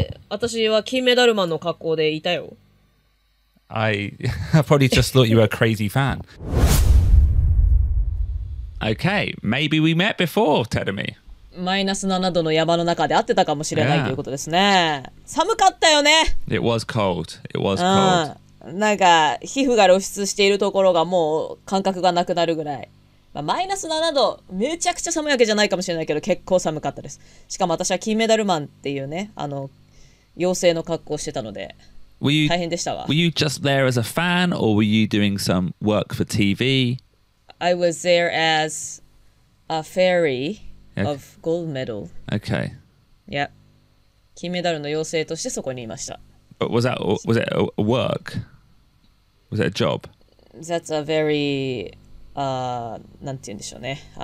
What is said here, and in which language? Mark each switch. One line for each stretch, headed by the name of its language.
Japanese: 私は金メダルマンの格好でいたよ。
English: I probably just thought you were a crazy fan. Okay, maybe we met before, Terumi.
Japanese: Minus 7 度の山の中で会ってたかもしれないということですね。寒かったよね。
English: It was cold. It was cold.
Japanese: なんか皮膚が露出しているところがもう感覚がなくなるぐらい。マイナス7度、めちゃくちゃ寒いわけじゃないかもしれないけど、結構寒かったです。しかも私は金メダルマンっていうね、あの妖精の格好をしてたので、大変でしたわ。
English: Were you just there as a fan, or were you doing some work for TV? I was there as a fairy of gold medal. Okay. Yep.
Japanese: 金メダルの妖精としてそこにいました。
English: But was it a work? Was it a job? That's a very...
Japanese: なんて言うんでしょうね。